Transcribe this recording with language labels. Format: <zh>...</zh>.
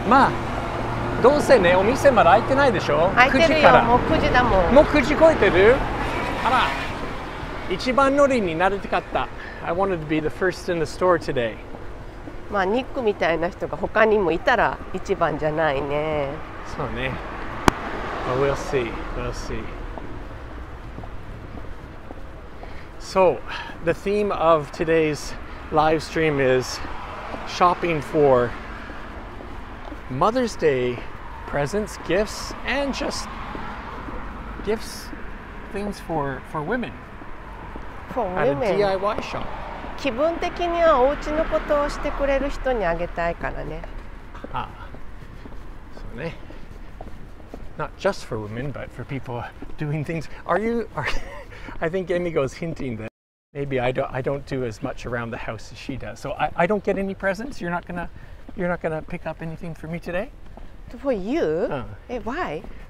<ja>まあ、どうせね、お店まだ開いてないでしょ。開いてるよ、9時から。もう9時だもん。もう9時超えてる？あら、一番乗りになりたかった。</ja> <en>I wanted to be the first in the store today.</en> <ja>まあ、ニックみたいな人が他にもいたら一番じゃないね。そうね。</ja> <en>Well, we'll see. We'll see. So, the theme of today's live stream is shopping for Mother's Day presents, gifts, and just gifts, things for women. For women. At a DIY shop.</en> <ja>気分的にはお家のことをしてくれる人にあげたいからね。 Ah, so ね。</ja> <en>Not just for women, but for people doing things. I think Emiko is hinting that. Maybe I don't do as much around the house as she does. So I don't get any presents. You're not gonna pick up anything for me today? For you? Hey, why?</en>